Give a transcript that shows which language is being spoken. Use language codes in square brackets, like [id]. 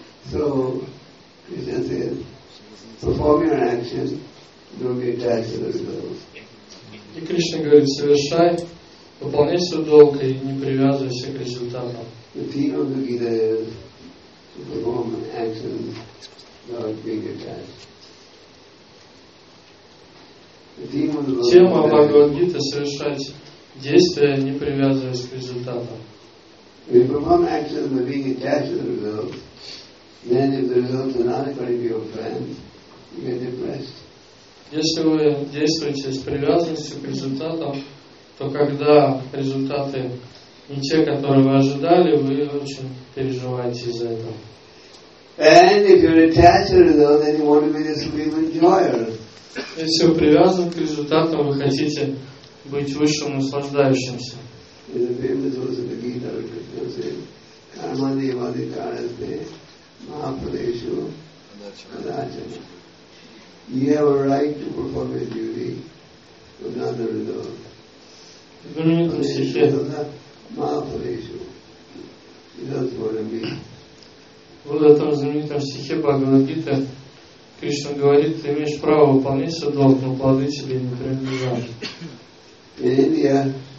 [en] So, Krishna said, perform your action, don't get attached to the results. [ru] И Кришна говорит, совершай, выполняй свой долг и не привязывайся к результатам. [en] The theme of the Gita is to perform an action without being attached. [ru] Тема Бхагавад-гиты – совершать действия, не привязываясь к результатам. [en] If you perform action without being attached to the results, then if the results are not according to your plans, you get depressed. [ru] Если вы действуете с привязанностью к результатам, то когда результаты не те, которые вы ожидали, вы очень переживаете из-за этого. [en] And if you're attached to the result, then you want to be the supreme enjoyer. [ru] Если вы привязаны к результатам, вы хотите быть высшим наслаждающимся. [en] In the famous verse of the Gita, Krishna said, [sa] Karma Deva Dikarate Mahapadeshu Adachana. [en] You have a right to perform your duty, but not the result. [ru] Вот в этом знаменитом стихе Бхагавад-гита Кришна говорит, ты имеешь право выполнять свой долг, но плоды тебе не принадлежат.